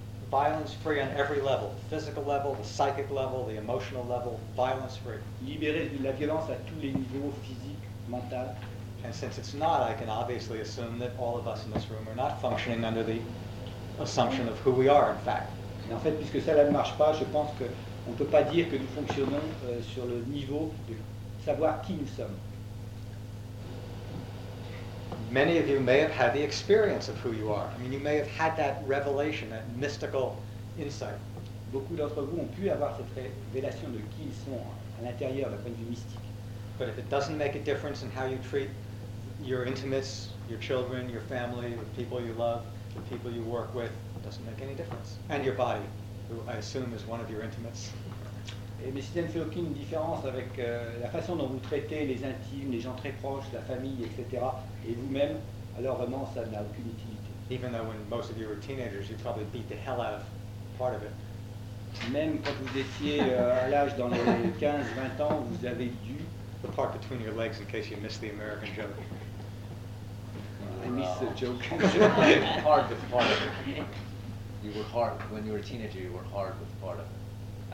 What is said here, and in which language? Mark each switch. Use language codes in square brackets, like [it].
[en] Violence free on every level, physical level, the psychic level, the emotional level, violence free. [fr] Libéré de la violence à tous les niveaux, physique, mental. [en] And since it's not, I can obviously assume that all of us in this room are not functioning under the assumption of who we are, in fact. [fr] Et en fait, puisque cela ne marche pas, je pense qu'on ne peut pas dire que nous fonctionnons sur le niveau de savoir qui nous sommes. [en] Many of you may have had the experience of who you are. I mean, you may have had that revelation, that mystical insight. [fr] Beaucoup d'entre vous ont pu avoir cette révélation de qui ils sont à l'intérieur, d'un point de vue mystique. [en] But if it doesn't make a difference in how you treat your intimates, your children, your family, the people you love, the people you work with, it doesn't make any difference. And your body, who I assume is one of your intimates. [fr] Et mais si ça ne fait aucune différence avec la façon dont vous traitez les intimes, les gens très proches, la famille, etc., et vous-même, alors vraiment, ça n'a aucune utilité. [en] Even though when most of you were teenagers, you probably beat the hell out of part of it. [fr] Même quand vous étiez à l'âge dans les 15-20 ans, vous avez dû... [en] The part between your legs, in case you missed the American joke. I missed the joke. Hard with part of it. You were hard, when you were a teenager, you were hard with part of it.